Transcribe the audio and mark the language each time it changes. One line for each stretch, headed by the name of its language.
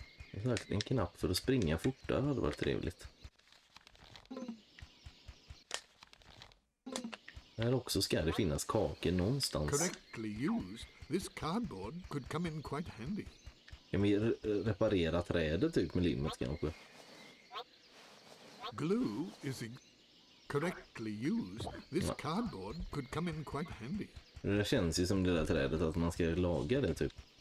Swedish: En knapp för att springa fortare hade varit trevligt. Här också ska det finnas kakor någonstans.
English: Correctly used, this cardboard could come in quite handy.
Swedish: Kan vi reparera trädet ut med limmet kanske?
English: Glue is correctly used, this cardboard could come in quite handy.
Swedish: Det känns ju som det där trädet att man ska laga det typ.